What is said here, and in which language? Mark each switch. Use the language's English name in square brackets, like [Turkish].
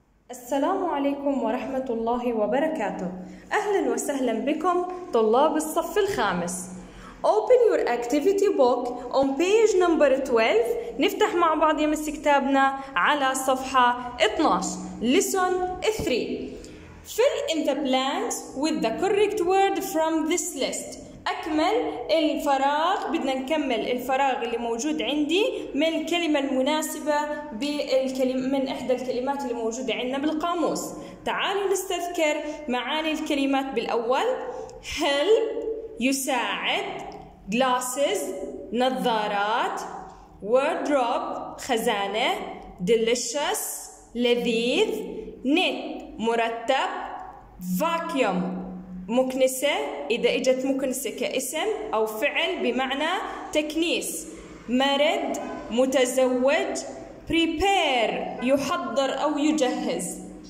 [Arabic] السلام عليكم ورحمة الله وبركاته. أهلا وسهلا بكم طلاب الصف الخامس. [English] Open your activity book on page number 12. [Arabic] نفتح مع بعض يمس كتابنا على صفحة 12. [English] Listen 3. Fill in the blanks with the correct word from this list. [Arabic] أكمل الفراغ، بدنا نكمل الفراغ اللي موجود عندي من الكلمة المناسبة من إحدى الكلمات اللي موجودة عندنا بالقاموس. تعالوا نستذكر معاني الكلمات بالأول. help يساعد، glasses نظارات، wardrobe خزانة، delicious لذيذ، knit مرتب، vacuum مكنسة إذا إجت مكنسة كاسم أو فعل بمعنى تكنيس، مرد متزوج، prepare يحضر أو يجهز.